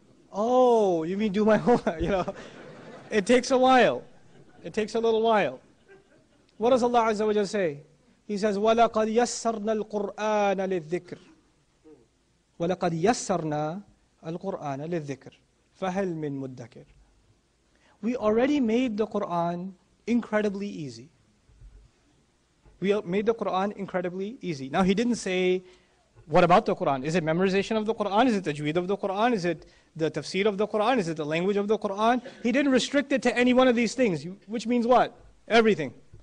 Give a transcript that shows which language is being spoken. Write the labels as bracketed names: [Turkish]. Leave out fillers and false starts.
[English] Oh, you mean do my homework, you know. It takes a little while. What does Allah Azza wa Jalla say? He says, [Arabic] وَلَقَدْ يَسَّرْنَا الْقُرْآنَ لِلذِّكْرِ وَلَقَدْ يَسَّرْنَا الْقُرْآنَ لِلذِّكْرِ فَهَلْ مِن مُدَّكِرِ. [English] We already made the Qur'an incredibly easy. We made the Qur'an incredibly easy. Now he didn't say, what about the Qur'an? Is it memorization of the Qur'an? Is it the tajweed of the Qur'an? Is it the tafsir of the Qur'an? Is it the language of the Qur'an? He didn't restrict it to any one of these things, which means what? Everything.